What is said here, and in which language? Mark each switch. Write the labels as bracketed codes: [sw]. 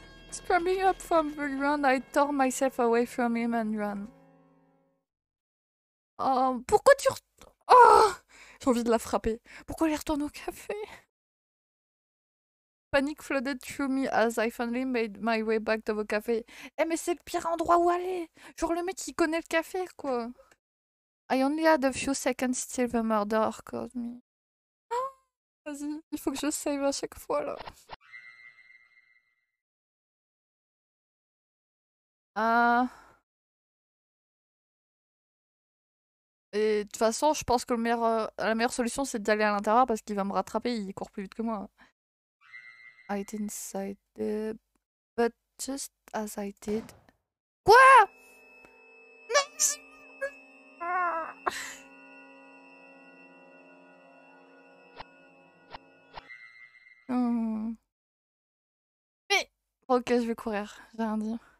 [en] Scrambling up from the ground, I tore myself away from him and ran. [fr] Oh, pourquoi tu retournes... Oh, j'ai envie de la frapper. Pourquoi elle retourne au café? [en] Panic flooded through me as I finally made my way back to the café. [fr] Eh, mais c'est le pire endroit où aller. Genre le mec qui connaît le café, quoi. [en] I only had a few seconds till the murderer called me. [fr] Oh, vas-y, il faut que je save à chaque fois, là. Et de toute façon, je pense que la meilleure solution, c'est d'aller à l'intérieur parce qu'il va me rattraper, il court plus vite que moi. [en] I didn't say that, but just as I did... [fr] Quoi? Non! Mais... Ok, je vais courir, j'ai rien dit.